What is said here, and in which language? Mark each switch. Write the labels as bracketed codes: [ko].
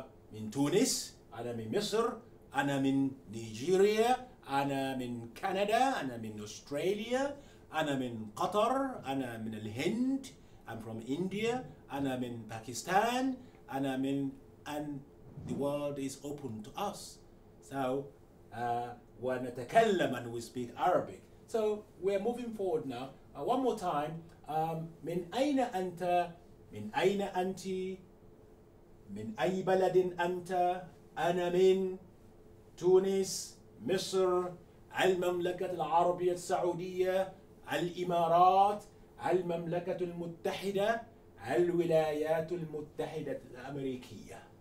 [ar] من تونس أنا من مصر أنا من نيجيريا أنا من كندا أنا من أستراليا أنا من قطر أنا من الهند [en] I'm from India, and I'm in Pakistan, and the world is open to us. So when I tell and we speak Arabic. So we're moving forward now. One more time. [ar] من أين أنت؟ من أين أنت؟ من أي بلد أنت؟ أنا من تونس، مصر، المملكة العربية السعودية، الإمارات، المملكة المتحدة، الولايات المتحدة الأمريكية.